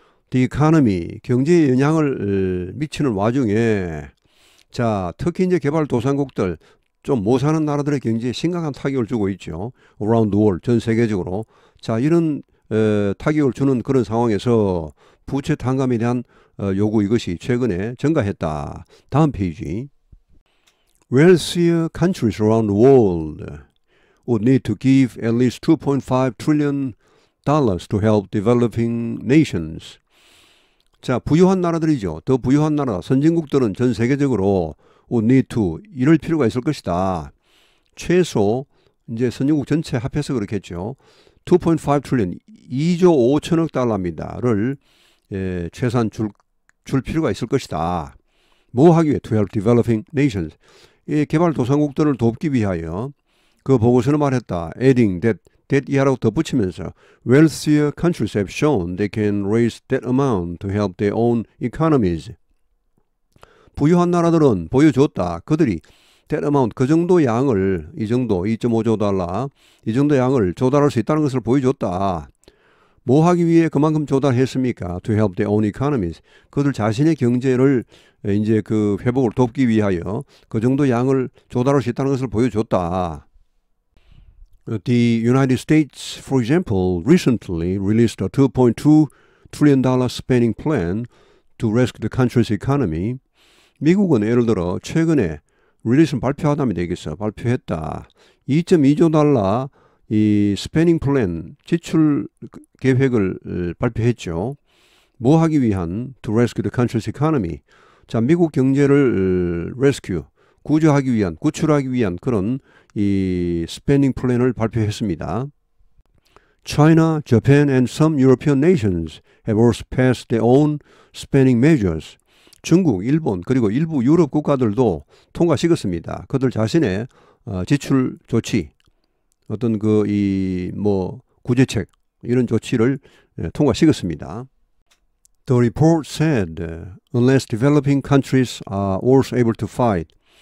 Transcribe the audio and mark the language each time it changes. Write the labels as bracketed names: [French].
[English] The economy, [Korean] 경제에 영향을 미치는 와중에 자, 특히 이제 개발 도상국들 좀 못 사는 나라들의 경제에 심각한 타격을 주고 있죠. [English] Around the world, [Korean] 전 세계적으로. 자, 이런 타격을 주는 그런 상황에서 부채 탕감에 대한 요구 이것이 최근에 증가했다. 다음 페이지. [English] Wealthier countries around the world would need to give at least $2.5 trillion to help developing nations. [Korean] 자, 부유한 나라들이죠. 더 부유한 나라, 선진국들은 전 세계적으로 [English] would need to [Korean] 이럴 필요가 있을 것이다. 최소 이제 선진국 전체 합해서 그렇겠죠. 2.5 trillion, 2조 5천억 달러입니다를 최소한 줄 필요가 있을 것이다. 뭐 하기 위해? [English] To help developing nations. [Korean] 개발도상국들을 돕기 위하여 그 보고서는 말했다. [English] Adding that [Korean] 이하라고 덧붙이면서 [English] wealthier countries have shown they can raise that amount to help their own economies. [Korean] 부유한 나라들은 보여줬다. 그들이 [English] that amount, [Korean] 그 정도 양을, 이 정도, 2.5조 달러, 이 정도 양을 조달할 수 있다는 것을 보여줬다. 뭐 하기 위해 그만큼 조달했습니까? [English] To help their own economies. [Korean] 그들 자신의 경제를 이제 그 회복을 돕기 위하여 그 정도 양을 조달할 수 있다는 것을 보여줬다. [English] The United States, for example, recently released a $2.2 trillion spending plan to rescue the country's economy. [Korean] 미국은 예를 들어 최근에 릴리스는 발표하다면 되겠어. 발표했다. 2.2조 달러 이 스페닝 플랜 지출 계획을 발표했죠. 뭐 하기 위한? [English] To rescue the country's economy. [Korean] 자, 미국 경제를 rescue, 구조하기 위한, 구출하기 위한 그런 이 스페닝 플랜을 발표했습니다. [English] China, Japan and some European nations have also passed their own spending measures. [Korean] 중국, 일본, 그리고 일부 유럽 국가들도 통과시켰습니다. 그들 자신의 지출 조치, 어떤 그 이 뭐 구제책, 이런 조치를 통과시켰습니다. [English] The report said, unless developing countries are also able to fight.